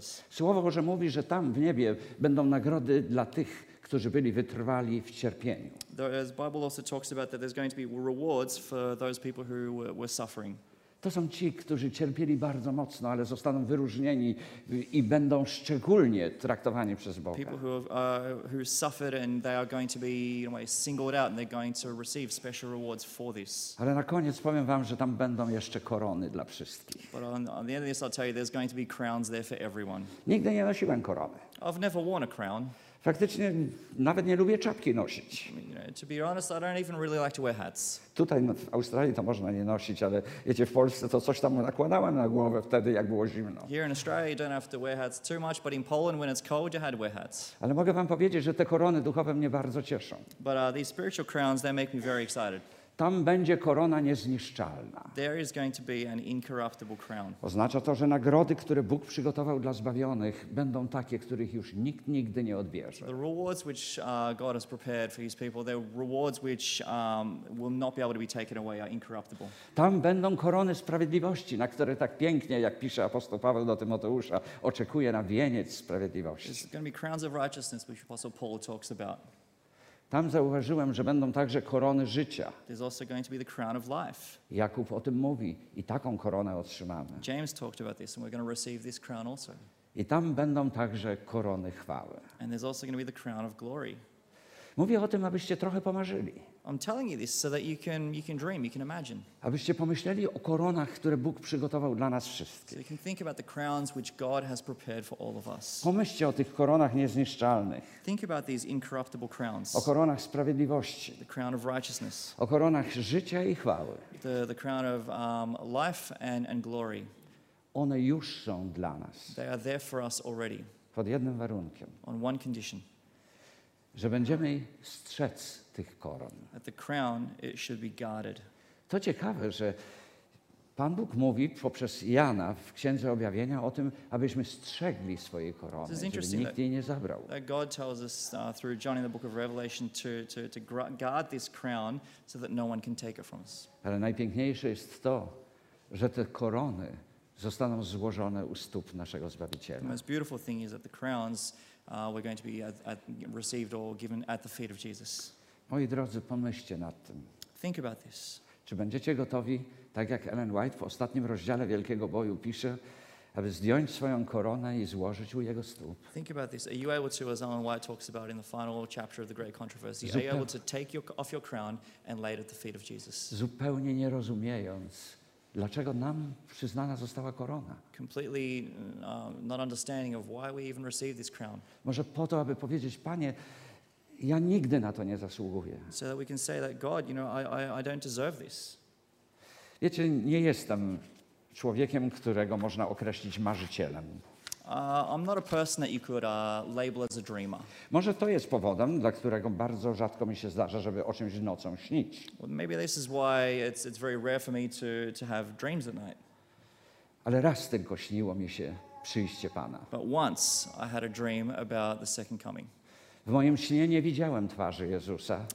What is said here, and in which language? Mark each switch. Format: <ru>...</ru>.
<pl>Słowo Boże mówi, że tam w niebie będą nagrody dla tych, którzy byli wytrwali w cierpieniu.</pl> <en>The Bible also talks about that there's going to be rewards for those people who were suffering.</en> <pl>To są ci, którzy cierpieli bardzo mocno, ale zostaną wyróżnieni i będą szczególnie traktowani przez Boga.</pl> <en>People who suffered and they are going to be in a way singled out and they're going to receive special rewards for this.</en> <pl>Ale na koniec powiem wam, że tam będą jeszcze korony dla wszystkich.</pl> <en>But on the end of this, I'll tell you, there's going to be crowns there for everyone.</en> <pl>Nigdy nie nosiłem korony.</pl> <en>I've never worn a crown.</en> <pl>Faktycznie nawet nie lubię czapki nosić.</pl> <en>To be honest, I don't even really like to wear hats.</en> <pl>Tutaj w Australii to można nie nosić, ale wiecie, w Polsce to coś tam nakładałem na głowę wtedy, jak było zimno.</pl> <en>Here in Australia you don't have to wear hats too much, but in Poland when it's cold you had to wear hats.</en> <pl>Ale mogę wam powiedzieć, że te korony duchowe mnie bardzo cieszą.</pl> <en>But these spiritual crowns, they make me very excited.</en> <pl>Tam będzie korona niezniszczalna.</pl> <en>There is going to be an incorruptible crown.</en> <pl>Oznacza to, że nagrody, które Bóg przygotował dla zbawionych, będą takie, których już nikt nigdy nie odbierze.</pl> <en>The rewards which God has prepared for his people, they're rewards which will not be able to be taken away, are incorruptible.</en> <pl>Tam będą korony sprawiedliwości, na które tak pięknie, jak pisze apostoł Paweł do Tymoteusza, oczekuje na wieniec sprawiedliwości.</pl> <en>There's going to be crowns of righteousness which apostle Paul talks about.</en> <pl>Tam zauważyłem, że będą także korony życia.</pl> <en>There's also going to be the crown of life.</en> <pl>Jakub o tym mówi i taką koronę otrzymamy.</pl> <en>James talked about this and we're going to receive this crown also.</en> <pl>I tam będą także korony chwały.</pl> <en>And there's also going to be the crown of glory.</en> <pl>Mówię o tym, abyście trochę pomarzyli.</pl> <en>I'm telling you this so that you can dream, you can imagine.</en> <pl>Abyście pomyśleli o koronach, które Bóg przygotował dla nas wszystkich.</pl> <en>So you can think about the crowns which God has prepared for all of us.</en> <pl>Pomyślcie o tych koronach niezniszczalnych.</pl> <en>Think about these incorruptible crowns.</en> <pl>O koronach sprawiedliwości.</pl> <en>The crown of righteousness.</en> <pl>O koronach życia i chwały.</pl> <en>The crown of life and glory.</en> <pl>One już są dla nas.</pl> <en>They are there for us already.</en> <pl>Pod jednym warunkiem.</pl> <en>On one condition.</en> <pl>Że będziemy strzec tych koron.</pl> <en>At the crown, it should be guarded.</en> <pl>To ciekawe, że Pan Bóg mówi poprzez Jana w Księdze Objawienia o tym, abyśmy strzegli swojej korony, żeby nikt jej nie zabrał.</pl> <en>That God tells us through John in the book of Revelation to guard this crown so that no one can take it from us.</en> <pl>Ale najpiękniejsze jest to, że te korony zostaną złożone u stóp naszego Zbawiciela.</pl> <en>The most beautiful thing is that the crowns we're going to be received or given at the feet of Jesus.</en> <pl>Moi drodzy, pomyślcie nad tym.</pl> <en>Think about this.</en> <pl>Czy będziecie gotowi, tak jak Ellen White w ostatnim rozdziale Wielkiego Boju pisze, aby zdjąć swoją koronę i złożyć u jego stóp.</pl> <en>Think about this. Are you able to, as Ellen White talks about in the final chapter of the Great Controversy, are you able to take your, off your crown and lay it at the feet of Jesus?</en> <pl>Zupełnie nie rozumiejąc, dlaczego nam przyznana została korona?</pl> <en>Completely not understanding of why we even received this crown.</en> <pl>Może po to, aby powiedzieć, Panie, ja nigdy na to nie zasługuję.</pl> <en>So that we can say that God, you know, I don't deserve this.</en> <pl>Wiecie, nie jestem człowiekiem, którego można określić marzycielem.</pl> <en>I'm not a person that you could label as a dreamer.</en> <pl>Może to jest powodem, dla którego bardzo rzadko mi się zdarza, żeby o czymś nocą śnić.</pl> <en>Well, maybe this is why it's very rare for me to have dreams at night.</en> <pl>Ale raz tylko śniło mi się przyjście Pana.</pl> <en>But once I had a dream about the second coming.</en> <pl>W moim śnie nie widziałem twarzy Jezusa.</pl>